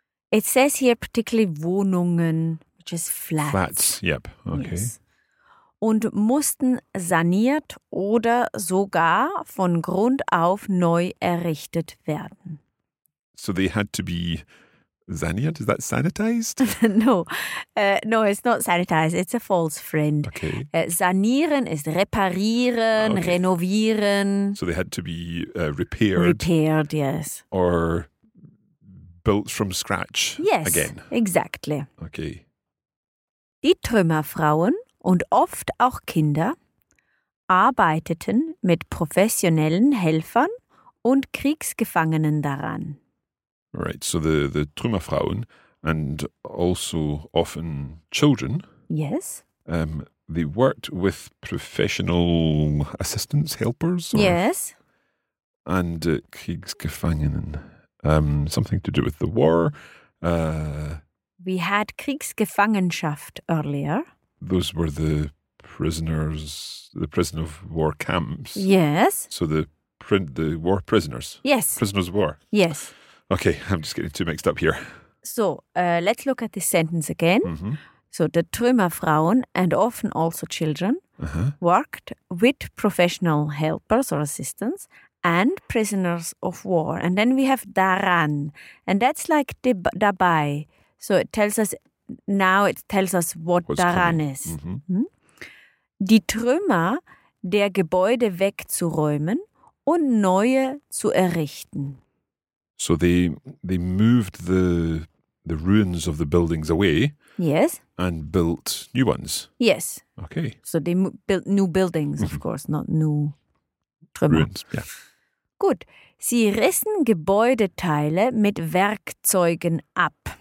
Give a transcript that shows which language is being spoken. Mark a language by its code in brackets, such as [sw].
[en] It says here particularly Wohnungen, which is flats. Flats, yep. Okay. Yes. [de] Und mussten saniert oder sogar von Grund auf neu errichtet werden. [en] So they had to be saniert? Is that sanitized? No. No, it's not sanitized. It's a false friend. Okay. [de] Sanieren [en] is [de] reparieren, [en] okay. [de] Renovieren. [en] So they had to be repaired. Repaired, yes. Or built from scratch yes, again. Yes, exactly. Okay. [de] Die Trümmerfrauen und oft auch Kinder arbeiteten mit professionellen Helfern und Kriegsgefangenen daran. [en] Right, so the Trümmerfrauen and also often children. Yes. They worked with professional assistants, helpers. Or, yes. And Kriegsgefangenen. Something to do with the war. We had Kriegsgefangenschaft earlier. Those were the prisoners, the prison of war camps. Yes. So the war prisoners. Yes. Prisoners of war. Yes. Okay, I'm just getting too mixed up here. So, let's look at this sentence again. Mm-hmm. So the Trümmerfrauen and often also children worked with professional helpers or assistants and prisoners of war. And then we have daran, and that's like dabei. So it tells us, now it tells us what's daran coming. Is. [de] Die Trümmer der Gebäude wegzuräumen und neue zu errichten. [en] So they moved the ruins of the buildings away. Yes. And built new ones. Yes. Okay. So they built new buildings, of course, not new Trümmer. Ruins, yeah. [de] Gut. Sie rissen Gebäudeteile mit Werkzeugen ab.